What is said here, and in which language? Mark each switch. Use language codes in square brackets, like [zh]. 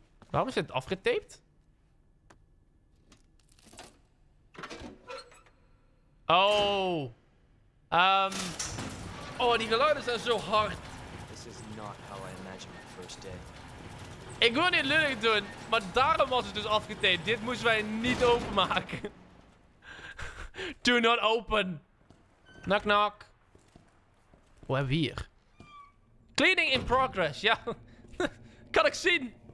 [nl] Waarom is dit afgetaped? Oh. Oh, die geluiden zijn zo hard. [en] This is not how I imagined my first day. [nl] Ik wil niet lullig doen, maar daarom was het dus afgetaped. Dit moesten wij niet openmaken. [en] Do not open. Knock knock. [nl] Wat hebben we hier? [en] Cleaning in progress, [nl] ja. Kan ik zien.